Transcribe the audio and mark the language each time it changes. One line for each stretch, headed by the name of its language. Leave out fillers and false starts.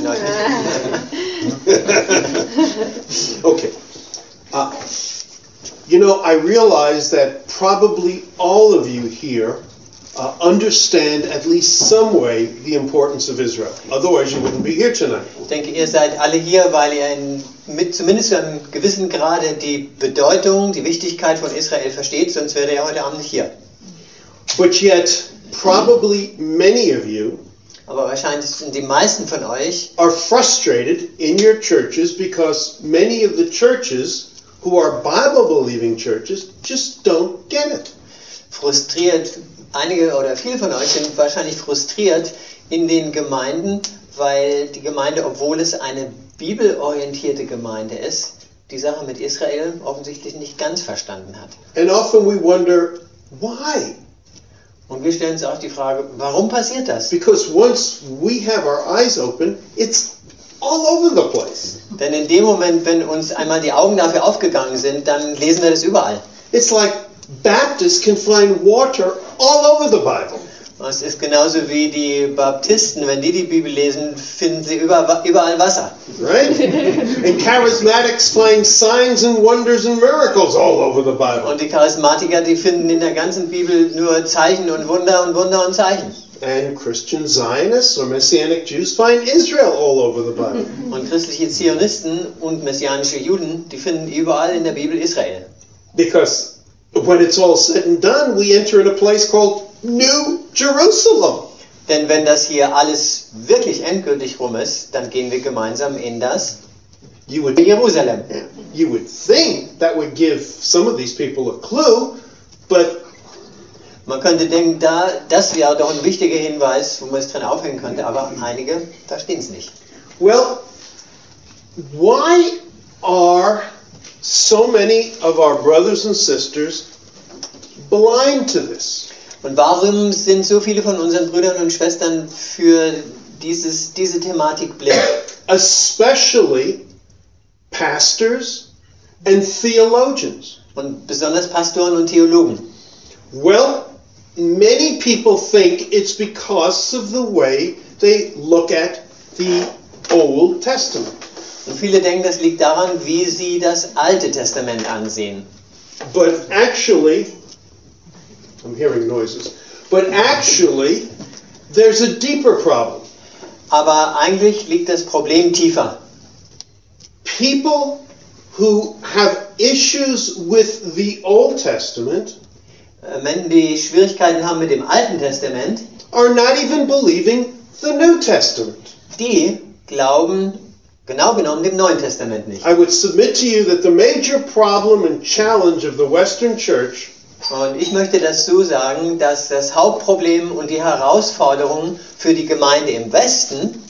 English: know. Okay. You know, I realize that probably all of you here understand at least some way the importance of Israel. Otherwise, you wouldn't be here tonight.
German: Ich denke, ihr seid alle hier, weil ihr zumindest zu einem gewissen Grade die Bedeutung, die Wichtigkeit von Israel versteht, sonst wäre er heute Abend nicht hier.
English: But yet, probably many of you
German: aber wahrscheinlich sind die meisten von euch
English: are frustrated in your churches because many of the churches who are Bible-believing churches just don't get it.
German: Frustriert, einige oder viele von euch sind wahrscheinlich frustriert in den Gemeinden, weil die Gemeinde, obwohl es eine bibelorientierte Gemeinde ist, die Sache mit Israel offensichtlich nicht ganz verstanden hat.
English: And often we wonder, why?
German: Und wir stellen uns auch die Frage, warum passiert das?
English: Because once we have our eyes open, it's all over the place.
German: Denn in dem Moment, wenn uns einmal die Augen dafür aufgegangen sind, dann lesen wir das überall.
English: It's like Baptists can find water all over the Bible.
German: Es ist genauso wie die Baptisten, wenn die Bibel lesen, finden sie überall Wasser.
English: Right? And Charismatics find signs and wonders and miracles all over the Bible.
German: Und die Charismatiker, die finden in der ganzen Bibel nur Zeichen und Wunder und Wunder und Zeichen.
English: And Christian Zionists or Messianic Jews find Israel all over the Bible.
German: Und christliche Zionisten und messianische Juden, die finden überall in der Bibel Israel.
English: Because when it's all said and done, we enter in a place called New Jerusalem.
German: Denn wenn das hier alles wirklich endgültig rum ist, dann gehen wir gemeinsam in das Jerusalem.
English: You would think that would give some of these people a clue, but
German: man könnte denken, da das wäre doch ein wichtiger Hinweis, wo man es drin aufhängen könnte, aber einige verstehen es nicht.
English: Well, why are so many of our brothers and sisters blind to this?
German: Und warum sind so viele von unseren Brüdern und Schwestern für diese Thematik blind?
English: Especially pastors and theologians.
German: Und besonders Pastoren und Theologen.
English: Well, many people think it's because of the way they look at the Old Testament.
German: Und viele denken, das liegt daran, wie sie das Alte Testament ansehen.
English: But actually, I'm hearing noises. But actually, there's a deeper problem.
German: Aber eigentlich liegt das Problem tiefer.
English: People who have issues with the Old Testament,
German: Menschen, die Schwierigkeiten haben mit dem Alten Testament,
English: are not even believing the New Testament.
German: Die glauben genau genommen dem Neuen Testament nicht.
English: I would submit to you that the major problem and challenge of the Western Church.
German: Und ich möchte dazu sagen, dass das Hauptproblem und die Herausforderung für die Gemeinde im Westen